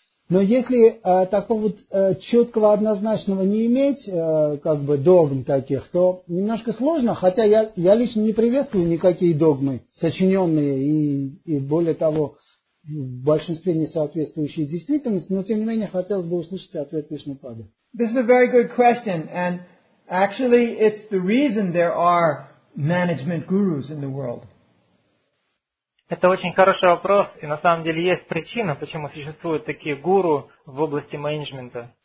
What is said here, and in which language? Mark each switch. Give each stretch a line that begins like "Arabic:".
Russian: Но если такого вот четкого однозначного не иметь, как бы догм таких, то немножко сложно, хотя я лично не приветствую никакие догмы, сочиненные и более того, в большинстве не соответствующие действительности, но тем не менее хотелось бы услышать ответ Вишнупады.
English: This is a very good question, and actually it's the reason there are management gurus in the world.
Russian: Это очень хороший вопрос, и на самом деле есть причина, почему существуют такие гуру в области менеджмента.